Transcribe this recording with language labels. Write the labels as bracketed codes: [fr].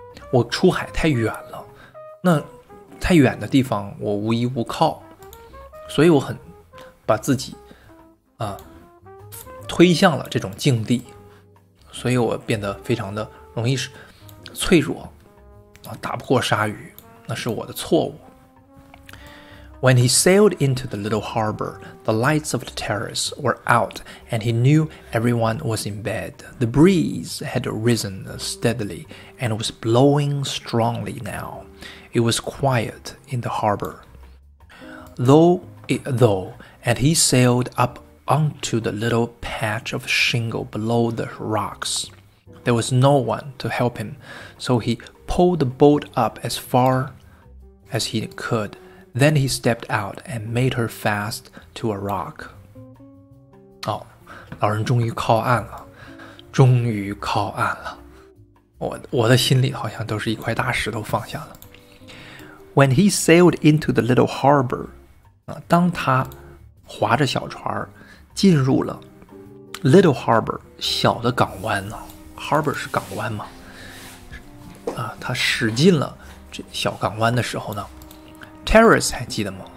[zh] 我出海太远了，那太远的地方我无依无靠，所以我很把自己推向了这种境地，所以我变得非常的容易脆弱，打不过鲨鱼，那是我的错误。 [en] When he sailed into the little harbor, the lights of the terrace were out, and he knew everyone was in bed. The breeze had risen steadily and was blowing strongly now. It was quiet in the harbor. And he sailed up onto the little patch of shingle below the rocks. There was no one to help him, so he pulled the boat up as far as he could. Then he stepped out and made her fast to a rock. [zh] 哦，老人终于靠岸了，终于靠岸了。我的心里好像都是一块大石头放下了。 [en] When he sailed into the little harbor, [zh] 当他划着小船进入了 [en] little harbor [zh] 小的港湾呢， harbor 是港湾嘛，他驶进了这小港湾的时候呢， terrace 还记得吗？